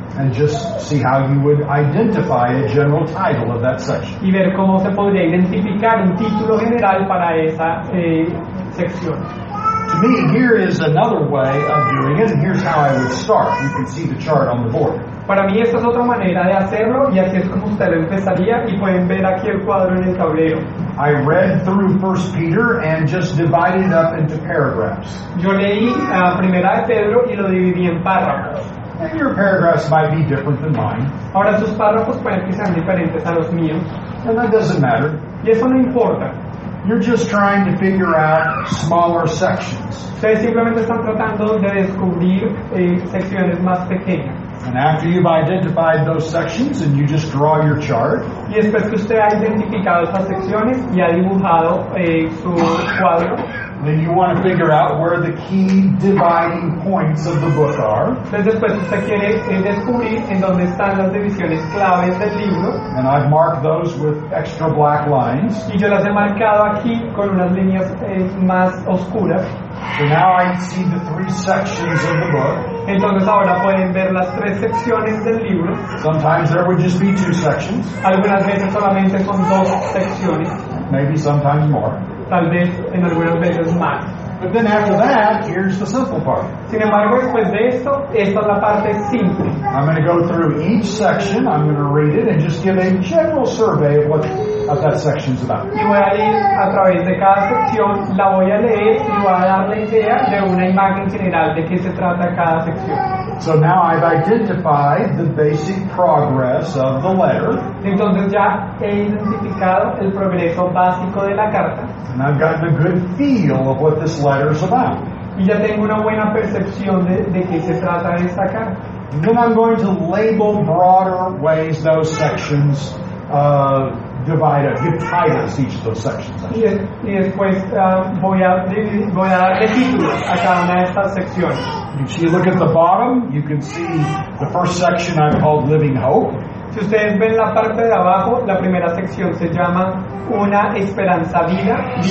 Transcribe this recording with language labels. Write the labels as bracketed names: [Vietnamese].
[English] And just see how you would identify a general title of that section. [Spanish] Y ver cómo se podría identificar un título general para esa sección. [English] To me, here is another way of doing it, and here's how I would start. You can see the chart on the board. [Spanish] Para mí esta es otra manera de hacerlo, y así es como usted lo empezaría, y pueden ver aquí el cuadro en el tablero. [English] I read through 1 Peter and just divided it up into paragraphs. [Spanish] Yo leí primera de Pedro y lo dividí en párrafos. [English] And your paragraphs might be different than mine. [Spanish] Ahora sus párrafos pueden que sean diferentes a los míos. [English] And that doesn't matter. [Spanish] Y eso no importa. [English] You're just trying to figure out smaller sections. [Spanish] Ustedes simplemente están tratando de descubrir secciones más pequeñas. [English] And after you've identified those sections and you just draw your chart. [Spanish] Y después que usted ha identificado esas secciones y ha dibujado su cuadro. [English] Then you want to figure out where the key dividing points of the book are. [Spanish] Entonces después usted quiere descubrir en dónde están las divisiones claves del libro. [English] And I've marked those with extra black lines. [Spanish] Y yo las he marcado aquí con unas líneas más oscuras. [English] So now I see the three sections of the book. [Spanish] Entonces ahora pueden ver las tres secciones del libro. [English] Sometimes there would just be two sections. [Spanish] Algunas veces solamente son dos secciones. [English] Maybe sometimes more. [Spanish] Tal vez en algunas veces más. [English] But then after that, here's the simple part. [Spanish] Sin embargo, después de esto, esta es la parte simple. [English] I'm going to go through each section. I'm going to read it and just give a general survey of what of that section's about. [Spanish] Y voy a ir a través de cada sección, la voy a leer y voy a dar la idea de una imagen general de qué se trata cada sección. [English] So now I've identified the basic progress of the letter. [Spanish] Entonces ya he identificado el progreso básico de la carta. [English] And I've gotten a good feel of what this letter's about. [Spanish] Y ya tengo una buena percepción de qué se trata esta carta. [English] And then I'm going to label broader ways those sections give titles each of those sections. [Spanish] Y después voy a darle títulos a cada una de estas secciones. [English] If you look at the bottom, you can see the first section I've called Living Hope. [Spanish] Si ustedes ven la parte de abajo, la primera sección se llama Una Esperanza Viva.